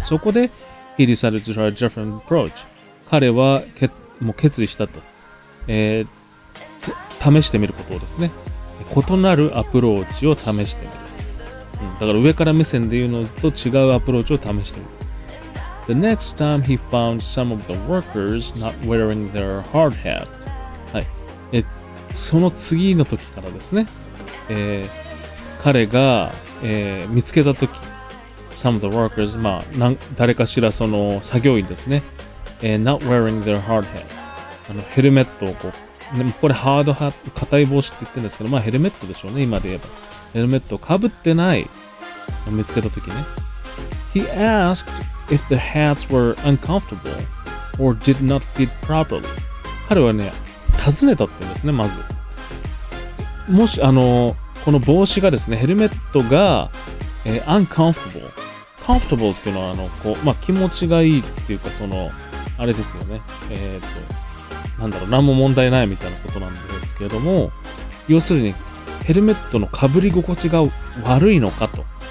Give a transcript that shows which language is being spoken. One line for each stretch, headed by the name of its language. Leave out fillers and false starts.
English: そこで He decided to try a different approach。
Japanese: 彼はもう決意したと、試してみることをですね、異なるアプローチを試してみる、だから上から目線で言うのと違うアプローチを試してみる。
English: The next time he found some of the workers not wearing their hard hat。
Japanese: はい、その次の時からですね、彼が、見つけた時、
English: some of the workers、
Japanese: 誰かしらその作業員ですね、
English: not wearing their hard hat、
Japanese: ヘルメットをこう、でもこれハードハット、硬い帽子って言ってるんですけど、ヘルメットでしょうね、今で言えば。ヘルメットをかぶってない、見つけた時ね。
English: He asked if the hats were uncomfortable or did not fit properly。
Japanese: 彼はね、尋ねたって言うんですね、まず。もし、この帽子がですね、ヘルメットが、uncomfortable。 comfortable っていうのは、気持ちがいいっていうか、あれですよね。なんだろう、何も問題ないみたいなことなんですけれども、要するに、ヘルメットの被り心地が悪いのかと。